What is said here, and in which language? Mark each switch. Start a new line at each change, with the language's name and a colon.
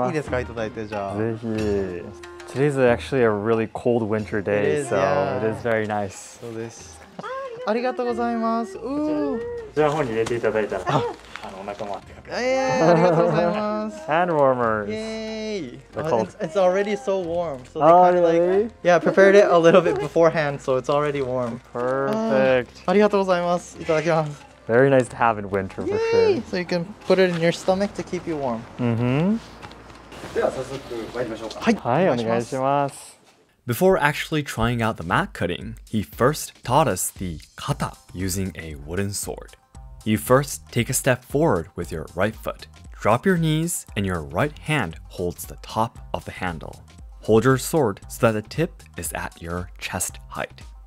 English: Today's actually a really cold winter day, it is, so yeah. It is very nice. So this.
Japanese: ありがとうございます。うう。じゃあ方に入れていただいたら、あのお腹も温まって。ありがとうございます。
English: Hand warmers. Yay. It's already so warm. So they kind of like, yeah, prepared it a little bit beforehand, so it's already warm. Perfect.
Japanese: ありがとうございます。いただきます。
English: Very nice to have in winter, Yay! For sure. So you can put it in your stomach to keep you warm. Mm-hmm.
Japanese: では早速参りましょうか。はい、お願いします。
English: Before actually trying out the mat cutting, he first taught us the kata using a wooden sword. You first take a step forward with your right foot. Drop your knees and your right hand holds the top of the handle. Hold your sword so that the tip is at your chest height.